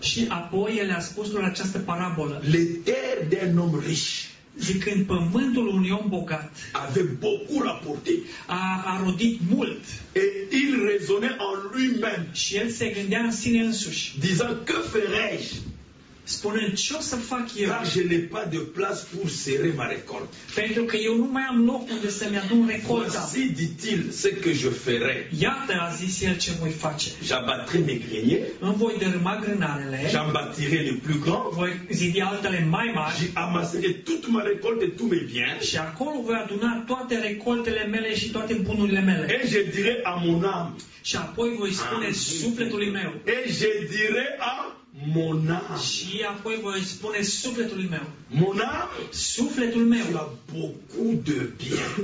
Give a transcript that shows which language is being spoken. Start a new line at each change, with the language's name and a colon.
Romanian: Și apoi el a spus lor această parabolă.
French: Les terres d'un homme riche.
Romanian: Zicând pământul unui om bogat.
French: Avait beaucoup rapporté.
Romanian: A rodit mult.
French: Et il raisonnait en lui-même.
Romanian: Și el se gândea în sine însuși.
French: Disant que ferai-je?
Romanian: Spunând ce o să fac eu?
French: Car je n'ai pas de place pour serrer ma récolte.
Romanian: Pentru că eu nu mai am loc unde să-mi adun recolta.
French: Voici, dit-il, ce que je ferai.
Romanian: Iată, a zis el, ce voi face.
French: J'abattrai mes greniers.
Romanian: Îmi voi dărâma grânarele.
French: J'en bâtirai les plus grands.
Romanian: Voi zidi altele mai mari.
French: J'y amasserai toute ma récolte et tous mes biens.
Romanian: Și acolo voi aduna toate recoltele mele și toate bunurile mele.
French: Et je dirai à mon âme.
Romanian: Și apoi voi spune sufletului meu.
French: Et je dirai à mon âme.
Romanian: Și apoi voi spune sufletului meu.
French: Mon âme,
Romanian: sufletul meu.
French: Tu as beaucoup de bien.